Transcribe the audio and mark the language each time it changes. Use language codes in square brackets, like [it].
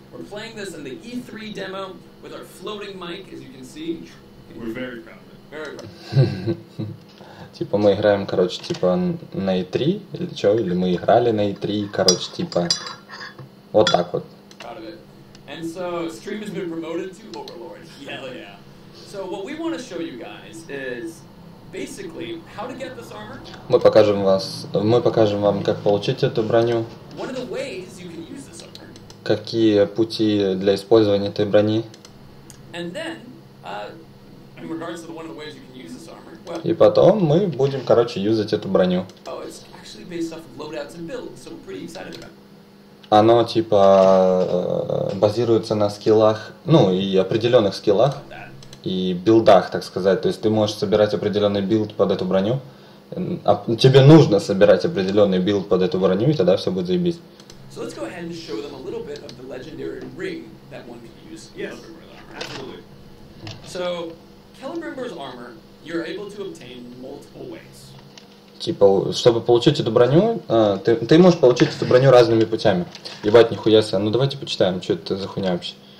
[en] We're playing this in the E3 demo with our floating mic, as you can see. We're very proud of it. Very proud. [ru] Типа мы играем, короче, типа на E3 или что, или мы играли на E3, короче, типа вот так вот. [en] Proud of it. And so stream has been promoted to Overlord. Hell yeah. So what we want to show you guys is basically, how to get this armor? [ru] Мы покажем вам, как получить эту броню. [en] One of the ways you can use this armor. [ru] Какие пути для использования этой брони? [en] And then, in regards to one of the ways you can use this armor, well, [ru] и потом мы будем, короче, юзать эту броню. [en] Oh, it's actually based off of loadouts and builds, so we're pretty excited about it. [ru] Оно типа базируется на скиллах, ну и определенных скиллах. И билдах, так сказать. То есть ты можешь собирать определенный билд под эту броню. А тебе нужно собирать определенный билд под эту броню, и тогда все будет заебись. [en] So let's go ahead and show them a little bit of the legendary ring that one can use. Yes, absolutely. So, Celebrimbor's armor, you're able to obtain multiple ways. [ru] Типа, чтобы получить эту броню, ты можешь получить эту броню разными путями. Ебать, нихуя себе. Ну давайте почитаем, что это за хуйня вообще.